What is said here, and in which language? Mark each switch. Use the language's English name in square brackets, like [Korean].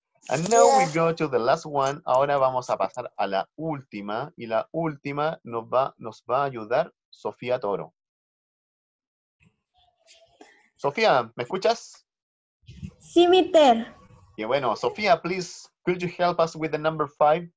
[English] And now we go to the last one. [Spanish] Ahora vamos a pasar a la última. Y la última nos va a ayudar Sofía Toro. Sofía, ¿me escuchas? Sí, mister. Y bueno, Sofía, [English] please, could you help us with the number 5?